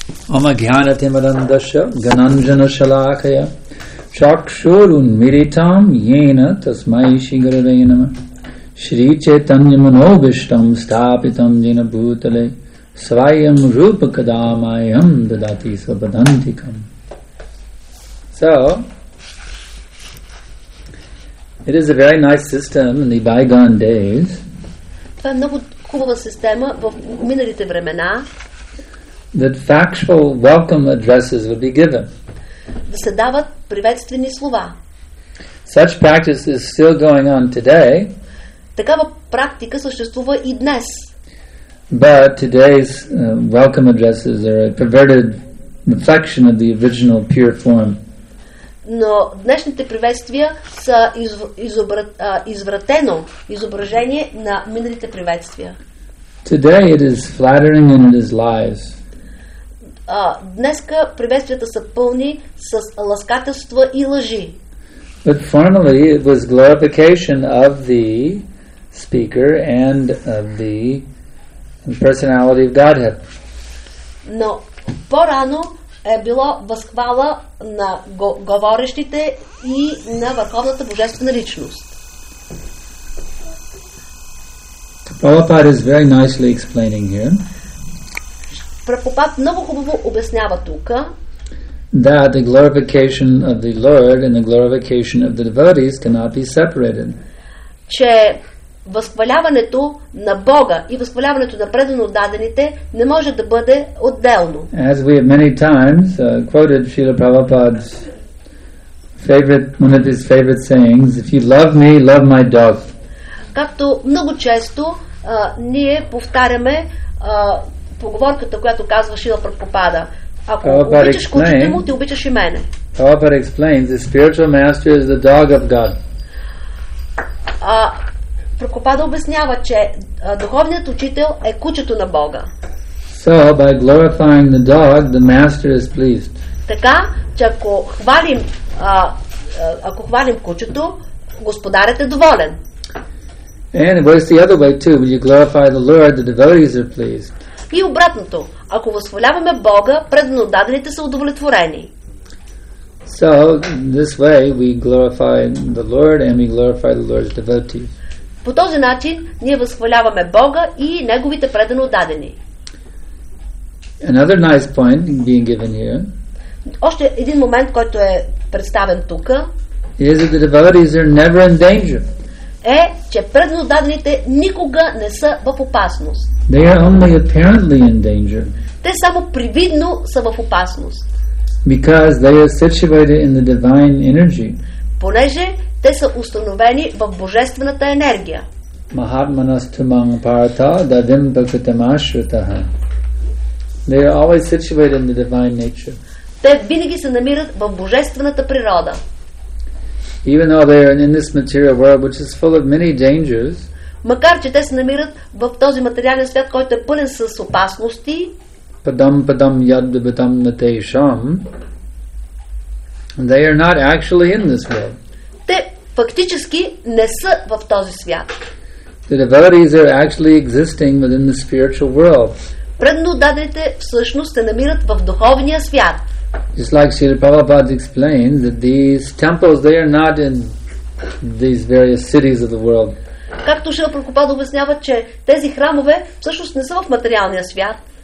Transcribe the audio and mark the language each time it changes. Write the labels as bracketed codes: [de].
[sa] Oma Gyana Timarandasha Gananjana Shalakaya Shakshurun Miritam Yena Tasmai Shingarare Nama Shri Chaitanya Manobishtam Stapitam Jina Bhutale Svayam Rupakadamayam Dadati Sabadantikam. [en] So, it is a very nice system in the bygone days. [bg] Това е много хубава система в миналите времена. [en] That factual welcome addresses would be given. [bg] Да се дават приветствени слова. [en] Such practice is still going on today. [bg] Такава практика съществува и днес. [en] But today's welcome addresses are a perverted reflection of the original pure form. [bg] Но днешните приветствия са извратено изображение на миналите приветствия. [en] Today it is flattering and it is lies. [bg] Днеска приветствията са пълни с ласкателства и лъжи. [en] But formerly it was glorification of the speaker and of the personality of Godhead. [bg] Но по-рано е било възхвала на говорещите и на върховната божествена личност. [en] Prabhupada is very nicely explaining here. [bg] Prabhupada много хубаво обяснява тук. [en] That the glorification of the Lord and the glorification of the devotees cannot be separated. [bg] Че възхваляването на Бога и възхваляването на предано отдадените не може да бъде отделно. [en] As we have many times quoted Srila Prabhupada's one of his favorite sayings, if you love me, love my dog. [bg] Както много често ние повтаряме поговорката, която казва Шрила Прабхупада: ако обичаш кучето му, ти обичаш и мене. [en] Prabhupada explains, the spiritual master is the dog of God. [bg] Прокопада обяснява, че духовният учител е кучето на Бога. [en] So, by glorifying the dog, the master is pleased. [bg] Така, че ако хвалим, ако хвалим кучето, господарят е доволен. [en] And it works the other way too. When you glorify the Lord, the devotees are pleased. [bg] И обратното. Ако възхваляваме Бога, предано отдадените са удовлетворени. [en] So, this way we glorify the Lord and we glorify the Lord's devotees. [bg] По този начин ние възхваляваме Бога и неговите предано дадени. [en] Another nice point being given here. [bg] Още един момент, който е представен тука. [en] Is that the devotees are never in danger. [bg] Е, че предно дадените никога не са в опасност. [en] They are only apparently in danger. [bg] Те само привидно са в опасност. [en] Because they are situated in the divine energy. [bg] Понеже те са установени в божествената енергия. [sa] Mahatmanas tumang parata dadim bhaktamashrutaha. [en] They are always situated in the divine nature. [bg] Те винаги се намират в божествената природа. [en] Even though they are in this material world, which is full of many dangers, [bg] макар че те се намират в този материален свят, който е пълен с опасности, [sa] padam padam yadvatam natesham, [en] they are not actually in this world. [bg] Те фактически не са в този свят. [en] The devotees are actually existing within the spiritual world. [bg] Преднодадените всъщност се намират в духовния свят. [en] Just like Srila Prabhupada explained that these temples, they are not in these various cities of the world. [bg] Както Шрила Прабхупада обяснява, че тези храмове всъщност не са в материалния свят.